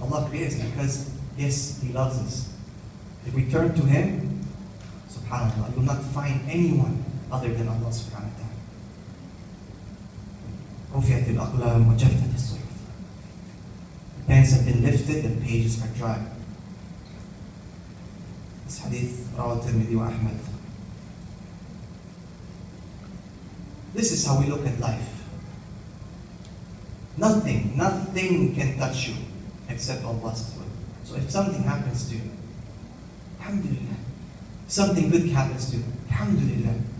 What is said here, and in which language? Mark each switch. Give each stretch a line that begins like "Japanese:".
English: Allah created us because, yes, He loves us. If we turn to Him, subhanAllah, you will not find anyone other than Allah subhanahu wa ta'ala.
Arabic: رفعت الأقلام وجفت الصحف.
English: The pens have been lifted, the pages are dry. This hadith
Arabic: رواه الترمذي وأحمد.
English: This is how we look at life. Nothing can touch you except Allah's will. So if something happens to you, Alhamdulillah. Something good happens to you, Alhamdulillah.